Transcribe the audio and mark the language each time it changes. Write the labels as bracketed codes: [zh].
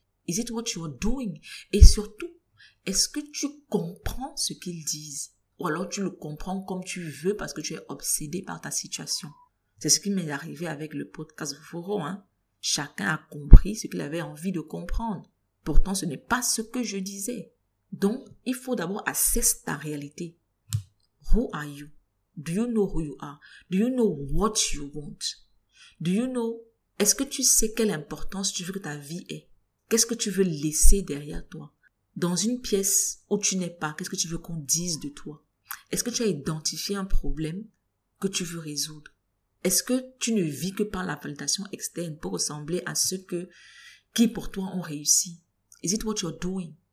[en] Is it what you are doing? [fr] Et surtout, est-ce que tu comprends ce qu'ils disent? Ou alors tu le comprends comme tu veux parce que tu es obsédé par ta situation? C'est ce qui m'est arrivé avec le podcast Foro, hein. Chacun a compris ce qu'il avait envie de comprendre. Pourtant, ce n'est pas ce que je disais. Donc, il faut d'abord assess ta réalité. [en] Who are you? Do you know who you are? Do you know what you want? Do you know? [fr] Est-ce que tu sais quelle importance tu veux que ta vie ait? Qu'est-ce que tu veux laisser derrière toi? Dans une pièce où tu n'es pas, qu'est-ce que tu veux qu'on dise de toi? Est-ce que tu as identifié un problème que tu veux résoudre? Est-ce que tu ne vis que par la validation externe pour ressembler à ceux qui pour toi ont réussi? [en] Is it what you're doing?